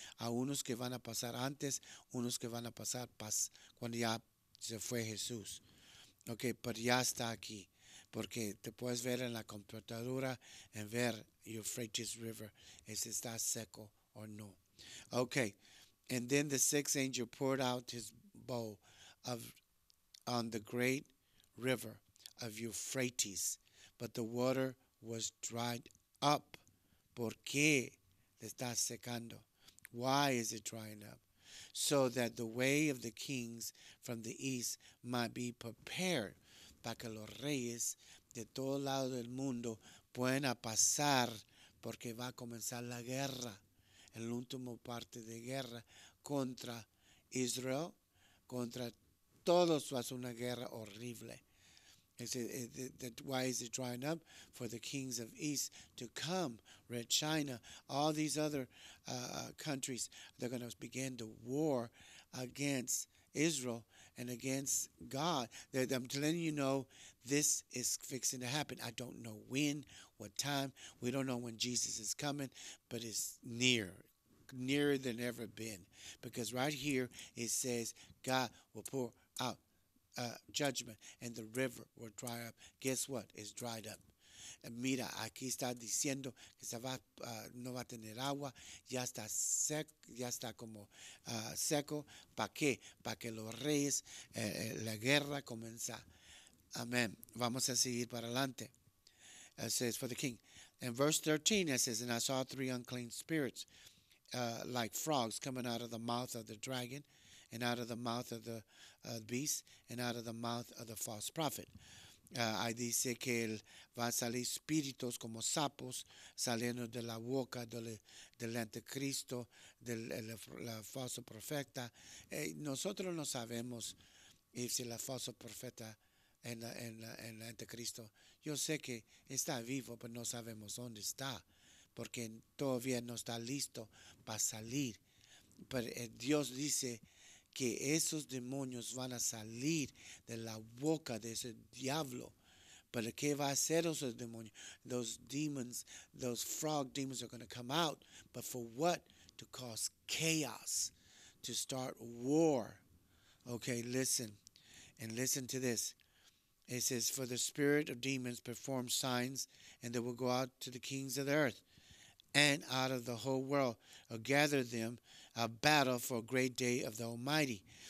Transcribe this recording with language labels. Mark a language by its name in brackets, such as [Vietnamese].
[Spanish] A unos que van a pasar antes, unos que van a pasar cuando ya se fue Jesús. Ok, pero ya está aquí. Porque te puedes ver en la computadora y ver Euphrates River, si está seco o no. Ok. [English] And then the sixth angel poured out his bowl on the great river of Euphrates. But the water was dried up. [Spanish] ¿Por qué le está secando? [English] Why is it drying up? So that the way of the kings from the east might be prepared. [Spanish] Para que los reyes de todo lado del mundo puedan pasar, porque va a comenzar la guerra. El último parte de guerra contra Israel, contra todos, va a ser una guerra horrible. [English] It says, why is it drying up? For the kings of East to come, Red China, all these other countries, they're going to begin to war against Israel and against God. I'm letting you know this is fixing to happen. I don't know when, what time. We don't know when Jesus is coming, but it's near, nearer than ever been. Because right here it says God will pour out judgment and the river will dry up. Guess what? It's dried up. [Spanish] Mira, aquí está diciendo que se va, no va a tener agua, ya está como seco. ¿Para qué? Para que los reyes, la guerra comienza. Amén. Vamos a seguir para adelante. [English] It says, for the king. In verse 13, it says, and I saw three unclean spirits like frogs coming out of the mouth of the dragon and out of the mouth of the beast and out of the mouth of the false prophet. [Spanish] Ahí dice que él va a salir espíritus como sapos saliendo de la boca del anticristo, la falsa profeta. Nosotros no sabemos si la falsa profeta en el anticristo. Yo sé que está vivo, pero no sabemos dónde está, porque todavía no está listo para salir. Pero Dios dice que esos demonios van a salir de la boca de ese diablo. ¿Pero qué va a hacer esos demonios? [English] Those demons, those frog demons are going to come out. But for what? To cause chaos. To start war. Okay, listen. And listen to this. It says, for the spirit of demons perform signs, and they will go out to the kings of the earth and out of the whole world, or gather them a battle for a great day of the Almighty.